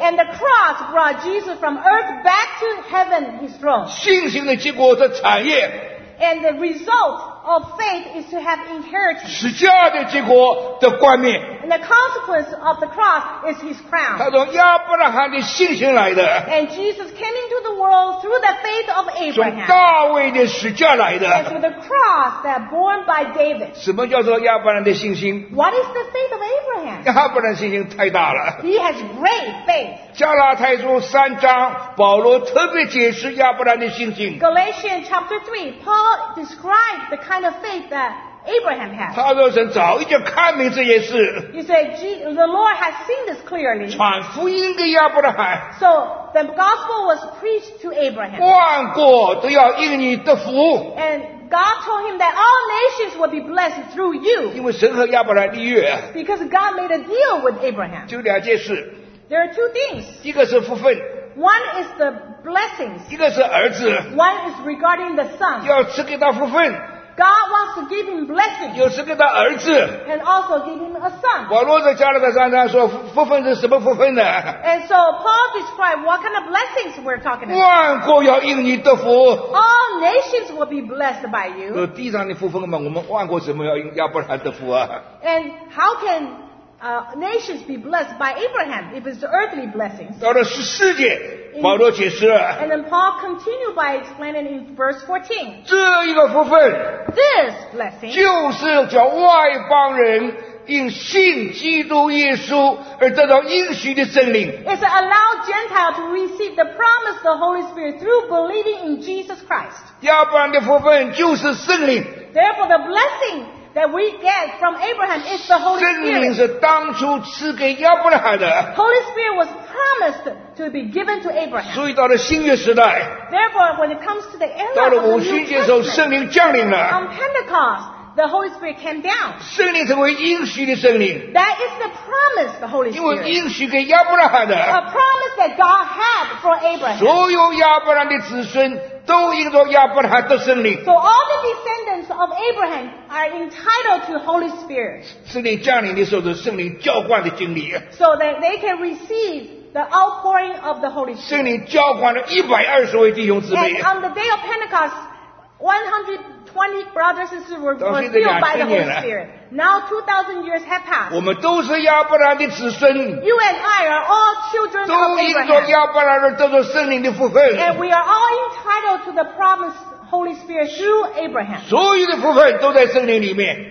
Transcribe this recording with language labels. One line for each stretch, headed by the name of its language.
English: And the cross brought Jesus from earth back to heaven, his throne.
Chinese: 信心的结果是产业。
English: And the result of faith is to have inheritance.
Chinese: 十字架的结果的冠冕。
English: And the consequence of the cross is his crown.
Chinese: 他从亚伯拉罕的信心来的。
English: And Jesus came into the world through the faith of Abraham.
Chinese: 从大卫的十字架来的。
English: And through the cross that born by David.
Chinese: 什么叫做亚伯兰的信心？
English: What is the faith of Abraham?
Chinese: 亚伯兰信心太大了。
English: He has great faith.
Chinese: 加拉太书三章，保罗特别解释亚伯兰的信心。
English: Galatians chapter 3, Paul described the kind of faith that Abraham had.
Chinese: 他说神早已经看明这些事。
English: He said, the Lord has seen this clearly.
Chinese: 传福音给亚伯兰。
English: So, the gospel was preached to Abraham.
Chinese: 万国都要因你得福。
English: And God told him that all nations would be blessed through you.
Chinese: 因为神和亚伯兰立约。
English: Because God made a deal with Abraham.
Chinese: 就两件事。
English: There are two things.
Chinese: 一个是福分。
English: One is the blessings.
Chinese: 一个是儿子。
English: One is regarding the son.
Chinese: 要赐给他福分。
English: God wants to give him blessings.
Chinese: 又是给他儿子。
English: And also give him a son.
Chinese: 保罗在加拉太三章说福分是什么福分呢？
English: And so Paul described what kind of blessings we're talking about.
Chinese: 万国要因你得福。
English: All nations will be blessed by you.
Chinese: 地上的福分嘛，我们万国怎么要因亚伯兰得福啊？
English: And how can nations be blessed by Abraham if it's the earthly blessings?
Chinese: 到了十四节。保罗解释了。
English: And then Paul continued by explaining in verse 14.
Chinese: 这一个福分。
English: This blessing.
Chinese: 就是叫外邦人因信基督耶稣而得到应许的圣灵。
English: It's allow Gentiles to receive the promise of the Holy Spirit through believing in Jesus Christ.
Chinese: 亚伯兰的福分就是圣灵。
English: Therefore the blessing that we get from Abraham is the Holy Spirit.
Chinese: 圣灵是当初赐给亚伯兰的。
English: Holy Spirit was promised to be given to Abraham.
Chinese: 所以到了新约时代。
English: Therefore, when it comes to the end of the New Testament.
Chinese: 到了五旬节的时候，圣灵降临了。
English: On Pentecost, the Holy Spirit came down.
Chinese: 圣灵成为应许的圣灵。
English: That is the promise, the Holy Spirit.
Chinese: 因为应许给亚伯兰的。
English: A promise that God had for Abraham.
Chinese: 所有亚伯兰的子孙都因着亚伯兰得圣灵。
English: So all the descendants of Abraham are entitled to Holy Spirit.
Chinese: 圣灵降临的时候是圣灵浇灌的经历。
English: So that they can receive the outpouring of the Holy Spirit.
Chinese: 圣灵浇灌了120位弟兄姊妹。
English: And on the day of Pentecost, 120 brothers and sisters were filled by the Holy Spirit. Now 2,000 years have passed.
Chinese: 我们都是亚伯兰的子孙。
English: You and I are all children of Abraham.
Chinese: 都因着亚伯兰而得着圣灵的福分。
English: And we are all entitled to the promised Holy Spirit through Abraham.
Chinese: 所有的福分都在圣灵里面。